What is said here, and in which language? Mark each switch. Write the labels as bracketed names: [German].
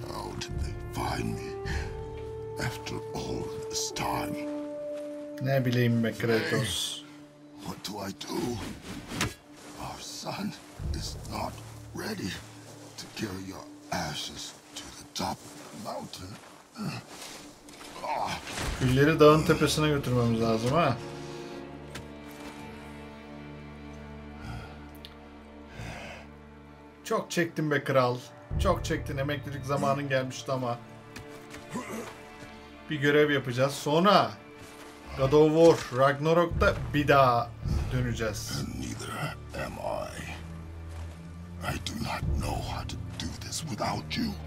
[English] How did they find me after all this time? [Turkish] Ne bileyim be Kratos. [English] What do I do? Our son is not ready to carry your ashes to the top mountain. [Turkish] Külleri dağın tepesine götürmemiz lazım ha. Çok çektin be kral. Çok çektin. Emeklilik zamanın gelmişti ama. Bir görev yapacağız. Sonra God of War Ragnarok'ta bir daha döneceğiz. [English] Neither am I. I do not know how to do this without you.